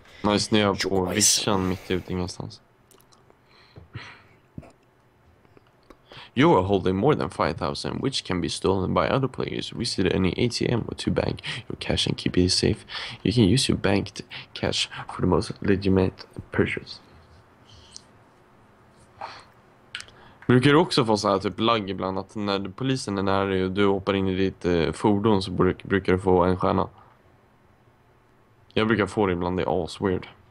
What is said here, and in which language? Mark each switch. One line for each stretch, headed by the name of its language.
Swedish: Nice, nu är jag på vischan mitt ute ingenstans.
English: You are holding more than 5,000, which can be stolen by other players. Visit any ATM or to bank your cash and keep it safe. You can use your banked cash for the most legitimate purchase.
Swedish: Brukar du också få så här typ lagg ibland att när polisen är nära och du hoppar in i ditt fordon så brukar du få en stjärna? Jag brukar få det ibland, det är
English: as weird.